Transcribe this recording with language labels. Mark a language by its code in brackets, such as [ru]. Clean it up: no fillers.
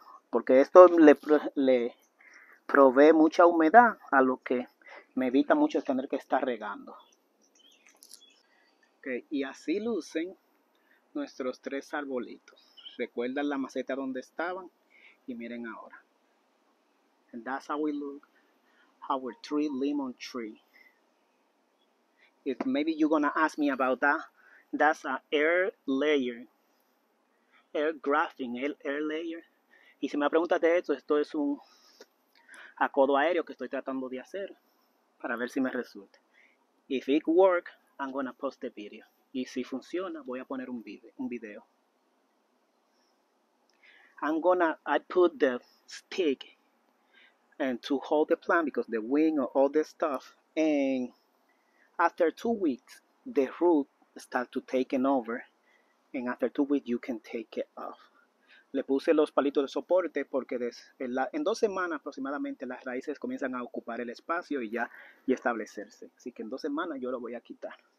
[es] Porque esto le provee mucha humedad, a lo que me evita mucho tener que estar regando. Okay, y así lucen nuestros tres arbolitos. Recuerdan la maceta donde estaban y miren ahora. [en] And that's how we look, our tree, limon tree. If maybe you're gonna ask me about that, that's an air layer, air grafting, air layer. [es] Y si me preguntas de esto, esto es un acodo aéreo que estoy tratando de hacer para ver si me resulta. [en] If it works, I'm gonna post the video. [es] Y si funciona, voy a poner un video. [en] I put the stick and to hold the plant, because the wing or all this stuff, and after 2 weeks the root start to take over, and after 2 weeks you can take it off. [es] Le puse los palitos de soporte porque en 2 semanas aproximadamente las raíces comienzan a ocupar el espacio y establecerse, así que en 2 semanas yo lo voy a quitar.